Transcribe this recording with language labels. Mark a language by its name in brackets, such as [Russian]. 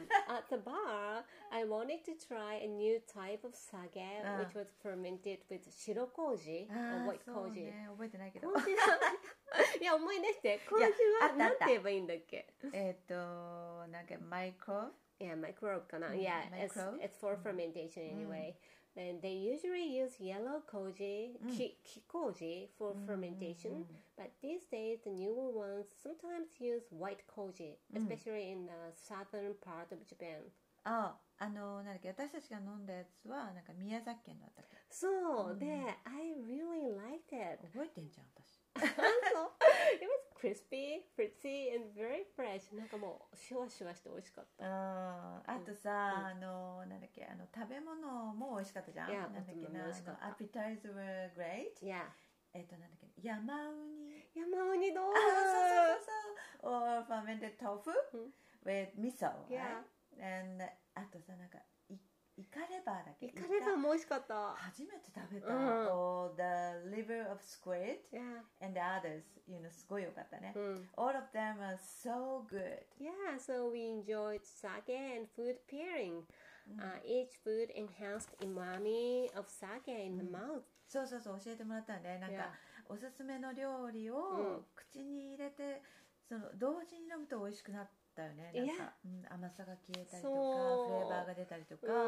[English] at the bar, I wanted to try a new type of sake, which was fermented with 白麹 or white 麹。 [Japanese] 覚えてないけど。いや思い出して、麹はなんて言えばいいんだっけ。なんかマイクロ。 [English] Yeah, microbe [Japanese] かな。 [English] Yeah, it's for fermentation anyway. And they usually use yellow koji, ki koji for fermentation. But these days, the newer ones sometimes use white koji, especially in the southern part of Japan. [Japanese] Oh, なんだっけ、私たちが飲んだやつはなんか宮崎県だったっけ。そう、で、 [English] I really liked it. [Japanese] 覚えてんじゃん、私。 [English] It was crispy, fruity, and very fresh. [Japanese] なんかもうシュワシュワして美味しかった。あとさ、なんだっけ、食べ物も美味しかったじゃん。なんだっけな、美味しかった。 [English] Appetizer were great. Yeah. [Japanese] なんだっけ、山ウニ。山ウニどう？そう。 [English] Or fermented tofu with miso. Yeah. [Japanese] And あとさ、なんかイカレバーだっけ。イカレバーも美味しかった。初めて食べた。 [English] The liver of squid and the others, you know, [Japanese] すごい良かったね。 [English] All of them are so good. Yeah, so we enjoyed sake and food pairing. Each food enhanced umami of sake in the mouth. [Japanese] そう、教えてもらったんで、なんかおすすめの料理を口に入れて、その同時に飲むと美味しくなってだよね、なんか、甘さが消えたりとか、フレーバーが出たりとか、